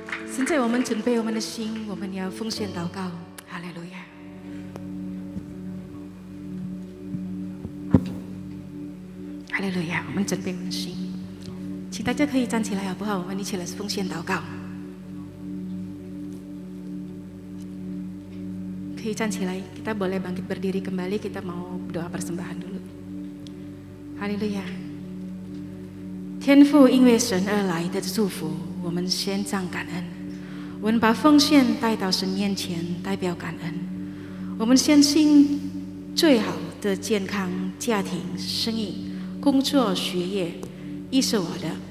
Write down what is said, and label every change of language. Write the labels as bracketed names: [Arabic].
[Chinese] 现在我们准备我们的心，我们要奉献祷告。哈利路亚。哈利路亚，我们准备我们的心，请大家可以站起来好不好？我们一起来奉献祷告。可以站起来， [Indonesian] kita boleh bangkit berdiri kembali, kita mau doa persembahan dulu. Hallelujah. [Chinese] 天父，因为神而来的祝福，我们先将感恩。我们把奉献带到神面前，代表感恩。我们相信最好的健康、家庭、生意、工作、学业，亦是我的。